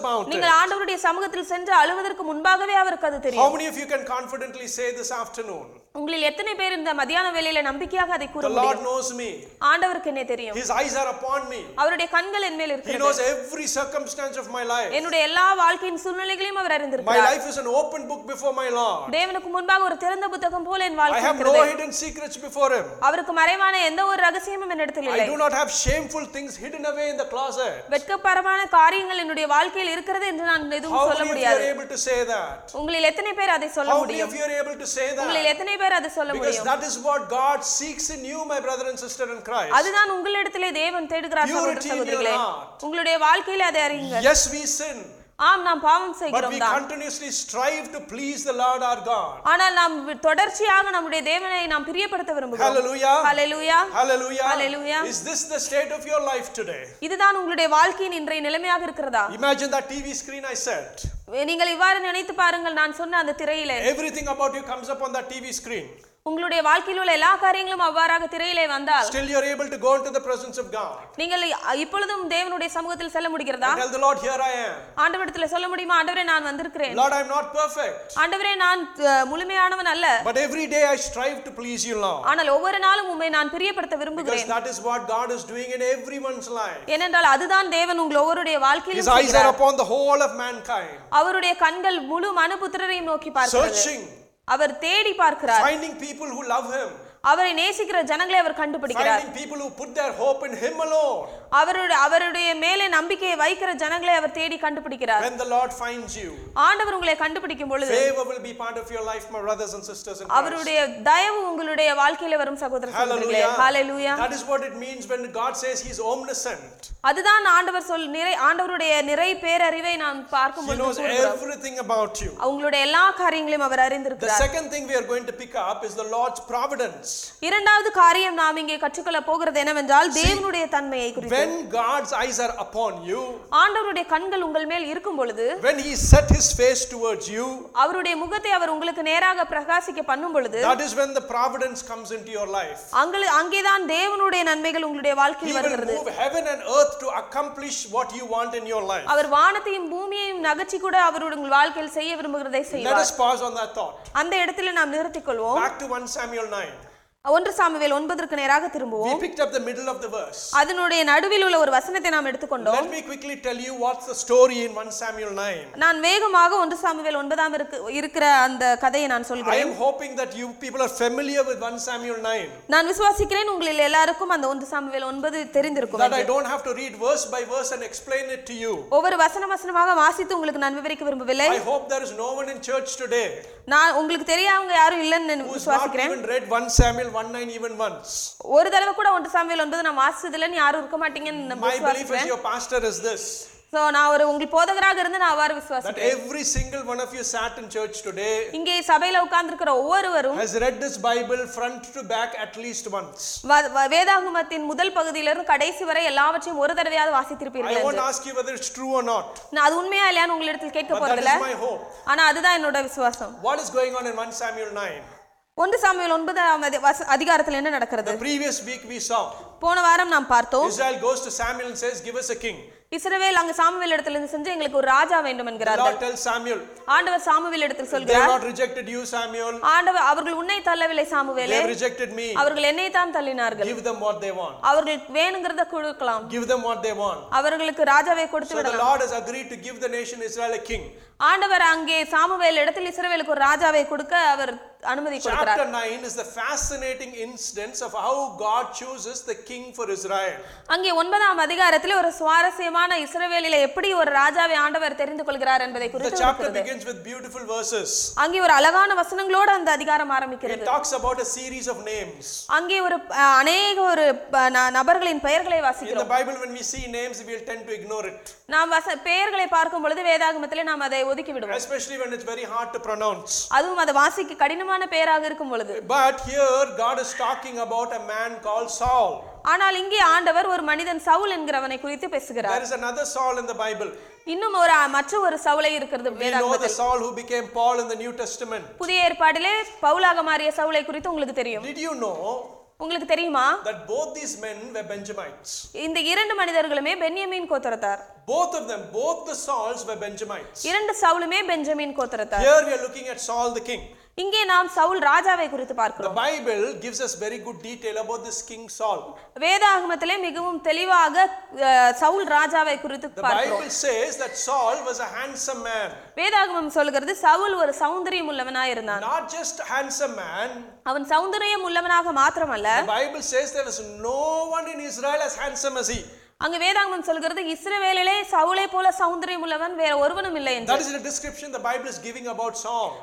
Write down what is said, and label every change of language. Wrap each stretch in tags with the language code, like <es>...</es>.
<ta>நீங்கள் ஆண்டவருடைய சமூகத்தில் சென்று அழுவதற்கு முன்பாகவே அவருக்கு அது தெரியும்.</ta> <en>How many of you can confidently say this afternoon?</en> <ta>உங்களில் எத்தனை பேர் இந்த மத்தியான வேளையில நம்பிக்கையாக அதை கூற முடியும்?</ta> <en>The Lord knows me.</en> <ta>ஆண்டவருக்கு என்னை தெரியும்.</ta> <en>His eyes are upon me.</en> <ta>அவருடைய கண்கள் என் மேல் இருக்கிறது.</ta> <en>He knows every circumstance of my life.</en> <ta>என்னுடைய எல்லா வாழ்க்கையின் சூழ்நிலைகளையும் அவர் அறிந்திருக்கிறார்.</ta> <en>My life is an open book before my Lord.</en> <ta>தேவனுக்கு முன்பாக ஒரு திறந்த புத்தகம் போல என் வாழ்க்கை இருக்கிறது.</ta> <en>I have no hidden secrets before him.</en> <ta>அவருக்கு மறைவான எந்த ஒரு ரகசியமும் என்னிடத்தில் இல்லை.</ta> <en>I do not have shameful things hidden away in the closet.</en> <ta>வெட்கப்பரமான காரியங்கள் என்னுடைய வாழ்க்கையில் இருக்கிறது என்று நான் எதுவும் சொல்ல முடியாது.</ta> <en>How many of you are able to say that?</en> <ta>உங்களில் எத்தனை பேர் அதை சொல்ல முடியும்?</ta> <en>How many of you are able to say that?</en> <ta>உங்களில் எத்தனை பேர் அதை சொல்ல முடியும்?</ta> <en>Because that is what God seeks in you, my brother and sister in Christ.</en> <ta>அதுதான் உங்களிடத்திலே தேவன் தேடுகிறார் சகோதரர்களே. உங்களுடைய வாழ்க்கையில் அதை அறியுங்கள்.</ta> <en>Yes, we sin.</en> <ta>ஆம், நாம் பாவம் செய்கிறோம்.</ta> <en>But we continuously strive to please the Lord our God.</en> <ta>ஆனால் நாம் தொடர்ச்சியாக நம்முடைய தேவனை நாம் பிரியப்படுத்த விரும்புகிறோம்.</ta> <en>Hallelujah. Hallelujah. Hallelujah. Hallelujah. Is this the state of your life today?</en> <ta>இதுதான் உங்களுடைய வாழ்க்கையின் இன்றைய நிலைமையாக இருக்கிறதா?</ta> <en>Imagine that TV screen I said.</en> <ta>நீங்கள் இவ்வாறு நினைத்து பாருங்கள். நான் சொன்ன அந்த திரையிலே</ta> <en>Everything about you comes up on that TV screen.</en> <ta>உங்களுடைய வாழ்க்கையில் உள்ள எல்லா காரியங்களும் அவ்வாறாக திரையிலே வந்தால்</ta> <en>Still you are able to go into the presence of God.</en> <ta>நீங்கள் இப்பொழுதும் தேவனுடைய சமூகத்தில் செல்ல முடிகிறதா?</ta> <en>Tell the Lord here I am.</en> <ta>ஆண்டவரிடத்தில் சொல்ல முடியுமா, ஆண்டவரே நான் வந்திருக்கிறேன்.</ta> <en>Lord I am not perfect.</en> <ta>ஆண்டவரே நான் முழுமையானவன் அல்ல.</ta> <en>But every day I strive to please you Lord.</en> <ta>ஆனால் ஒவ்வொரு நாளும் உம்மை நான் பிரியப்படுத்த விரும்புகிறேன்.</ta> <en>Because that is what God is doing in everyone's life.</en> <ta>ஏனென்றால் அதுதான் தேவன் உங்கள் ஒவ்வொருடைய வாழ்க்கையிலும்</ta> <en>His eyes are upon the whole of mankind.</en> <ta>அவருடைய கண்கள் முழு மனுபுத்திரரையும் நோக்கி பார்க்கிறது.</ta> <en>Searching.</en> <ta>அவர் தேடி பார்க்கிறார்.</ta> <en>Finding people who love him.</en> <ta>அவரை நேசிக்கிற ஜனங்களை அவர் கண்டுபிடிக்கிறார்.</ta> <en>Finding people who put their hope in him alone.</en> <ta>அவருடைய மேலே நம்பிக்கையை வைக்கிற ஜனங்களை அவர் தேடி கண்டுபிடிக்கிறார்.</ta> <en>When the Lord finds you.</en> <ta>ஆண்டவர் உங்களை கண்டுபிடிக்கும் பொழுது</ta> <en>favor will be part of your life, my brothers and sisters in Christ.</en> <ta>அவருடைய தயவு உங்களுடைய வாழ்க்கையில வரும் சகோதர சகோதரிகளே.</ta> <en>Hallelujah. That is what it means when God says he is omniscient.</en> <ta>அதுதான் ஆண்டவர் சொல் நிறை ஆண்டவருடைய நிறை பேரறிவை நாம் பார்க்கும் பொழுது</ta> <en>everything about you.</en> <ta>அவங்களுடைய எல்லா காரியங்களையும் அவர் அறிந்திருக்கிறார்.</ta> <en>The second thing we are going to pick up is the Lord's providence.</en> <ta>இரண்டாவது காரியம் நாம் இங்கே கற்றுக்கொள்ள போகிறது என்னவென்றால் தேவனுடைய தன்மையை குறித்து.</ta> <en>When God's eyes are upon you,</en> <ta>ஆண்டவருடைய கண்கள் உங்கள் மேல் இருக்கும் பொழுது,</ta> <en>when he set his face towards you,</en> <ta>அவருடைய முகத்தை அவர் உங்களுக்கு நேராக பிரகாசிக்க பண்ணும் பொழுது,</ta> <en>that is when the providence comes into your life.</en> <ta>அங்கேதான் தேவனுடைய நன்மைகள் உங்களுடைய வாழ்க்கையில் வருகிறது.</ta> <en>He will move heaven and earth to accomplish what you want in your life.</en> <ta>அவர் வானத்தையும் பூமியையும் நகர்த்தி கூட அவர் உங்கள் வாழ்க்கையில் செய்ய விரும்புகிறதை செய்வார்.</ta> <en>Let us pause on that thought.</en> <ta>அந்த இடத்திலே நாம் நிறுத்திக் கொள்வோம்.</ta> <en>Back to 1 Samuel 9.</en> <ta>ஒன்று சாமுவேல் 9 நேராக திரும்புவோம்.</ta> <en>We picked up the middle of the verse.</en> <ta>அதனுடைய நடுவில் உள்ள ஒரு வசனத்தை நாம் எடுத்துக்கொண்டோம்.</ta> <en>Let me quickly tell you what's the story in 1 Samuel 9.</en> <ta>நான் வேகமாக 1 சாமுவேல் 9 இருக்கிற அந்த கதையை நான் சொல்கிறேன்.</ta> <en>I am hoping that you people are familiar with 1 Samuel 9.</en> <ta>நான் விசுவாசிக்கிறேன் உங்கள் எல்லாருக்கும் அந்த 1 சாமுவேல் 9 தெரிந்திருக்கும்.</ta> <en>That I don't have to read verse by verse and explain it to you.</en> <ta>ஒவ்வொரு வசன வசனமாக வாசித்து உங்களுக்கு நான் விவரிக்க விரும்பவில்லை.</ta> <en>I hope there is no one in church today.</en> <ta>நான் உங்களுக்கு தெரியாதவங்க யாரும் இல்லைன்னு விசுவாசிக்கிறேன்.</ta> <en>Who has not even read 1 Samuel 19 even once.</en> <ta>ஒரு தடவை கூட 1 சாமுவேல் 9 நான் வாசித்ததில்லை யாரும் இருக்க மாட்டீங்கன்னு நான் விசுவாசிக்கிறேன்.</ta> <en>My belief is your pastor is this.</en> <ta>So நான் ஒரு உங்கள் போதகராக இருந்து நான் அவ்வாறு விசுவாசிக்கிறேன்.</ta> <en>That every single one of you sat in church today.</en> <ta>இங்கே சபையில உட்கார்ந்திருக்கிற ஒவ்வொருவரும்</ta> <en>has read this Bible front to back at least once.</en> <ta>வேதாகமத்தின் முதல் பகுதியிலிருந்து கடைசி வரை எல்லாவற்றையும் ஒரு தடவையாவது வாசித்திருப்பீர்கள்.</ta> <en>I won't ask you whether it's true or not.</en> <ta>நான் அது உண்மையா இல்லையான்னு உங்கள் இடத்தில் கேட்க போறது இல்லை.</ta> <en>But that is my hope.</en> <ta>ஆனா அதுதான் என்னோட விசுவாசம்.</ta> <en>What is going on in 1 Samuel 9?</en> <ta>1 Samuel 9 அதிகாரத்தில் என்ன நடக்கிறது?</ta> <en>The previous week we saw.</en> <ta>போன வாரம் நாம் பார்த்தோம்.</ta> <en>Israel goes to Samuel and says give us a king.</en> <ta>இஸ்ரவேல் அங்க சாமுவேல் இடத்திலிருந்து செஞ்சு எங்களுக்கு ஒரு ராஜா வேண்டும் என்கிறார்கள்.</ta> <en>The Lord tells Samuel.</en> <ta>ஆண்டவர் சாமுவேல் இடத்தில் சொல்கிறார்.</ta> <en>They have rejected you Samuel.</en> <ta>ஆண்டவர் அவர்கள் உன்னை தள்ளவில்லை சாமுவேலே.</ta> <en>They have rejected me.</en> <ta>அவர்கள் என்னை தான் தள்ளினார்கள்.</ta> <en>Give them what they want.</en> <ta>அவர்களுக்கு வேணுங்கறத கொடுக்கலாம்.</ta> <en>Give them what they want.</en> <ta>அவர்களுக்கு ராஜாவை கொடுத்து விடலாம்.</ta> <en>So the Lord has agreed to give the nation Israel a king.</en> <ta>ஆண்டவர் அங்கே சாமுவேல் இடத்தில் இஸ்ரவேலுக்கு ஒரு ராஜாவை கொடுக்க அவர் அனுமதி கொடுக்கிறார்.</ta> <en>Chapter 9 is the fascinating instance of how God chooses the king for Israel.</en> <ta>அங்கே 9 அதிகாரத்தில் ஒரு சுவாரஸ்யமான இஸ்ரவேலில் எப்படி ஒரு ராஜாவை ஆண்டவர் தெரிந்து கொள்கிறார் என்பதை குறித்து</ta> <en>The chapter begins with beautiful verses.</en> <ta>அங்கே ஒரு அழகான வசனங்களோடு அந்த அதிகாரம் ஆரம்பிக்கிறது.</ta> <en>It talks about a series of names.</en> <ta>அங்கே ஒரு அநேக ஒரு நபர்களின் பெயர்களை வாசிக்கிறோம்.</ta> <en>In the Bible when we see names we will tend to ignore it.</en> <ta>நாம் பெயர்களை பார்க்கும் பொழுது வேதாகமத்தில் நாம் அதை ஒதுக்கி விடுவோம்.</ta> <en>Especially when it's very hard to pronounce.</en> <ta>அதுவும் அதை வாசிக்க கடினமான பெயராக இருக்கும் பொழுது.</ta> <en>But here God is talking about a man called Saul.</en> <ta>ஆனால் இங்கே ஆண்டவர் ஒரு மனிதன் சவுல் என்கிறவனை குறித்து பேசுகிறார்.</ta> <en>There is another Saul in the Bible.</en> <ta>இன்னும் ஒரு மற்ற ஒரு சவுலை இருக்கிறது வேதாகமத்தில்.</ta> <en>We know the Saul who became Paul in the New Testament.</en> <ta>புதிய ஏற்பாட்டிலே பவுலாக மாறிய சவுலை குறித்து உங்களுக்கு தெரியும்.</ta> <en>Did you know?</en> <ta>உங்களுக்கு தெரியுமா?</ta> <en>That both these men were Benjamites.</en> <ta>இந்த இரண்டு மனிதர்களுமே பென்யமீன் கோத்திரத்தார்.</ta> <en>Both of them, both the Sauls were Benjamites.</en> <ta>இரண்டு சவுலுமே பெஞ்சமீன் கோத்திரத்தார்.</ta> <en>Here we are looking at Saul the king.</en> <ta>இங்கே நாம் சவுல் ராஜாவை குறித்து பார்க்கிறோம்.</ta> <en>The Bible gives us very good detail about this king Saul.</en> <ta>வேதாகமத்திலே மிகவும் தெளிவாக சவுல் ராஜாவை குறித்து பார்க்கிறோம்.</ta> <en>The Bible says that Saul was a handsome man.</en> <ta>வேதாகமம் சொல்கிறது சவுல் ஒரு சௌந்தரியமுள்ளவனாய் இருந்தான்.</ta> <en>Not just a handsome man.</en> <ta>அவன் சௌந்தரியமுள்ளவனாக மாத்திரமல்ல.</ta> <en>The Bible says there was no one in Israel as handsome as he.</en> <ta>அங்க வேதாகமம் சொல்கிறது இஸ்ரவேலிலே சவுலை போல சௌந்தரியம் உள்ளவன் வேற ஒருவனும் இல்லை என்று.</ta> <en>That is the description the Bible is giving about Saul.</en>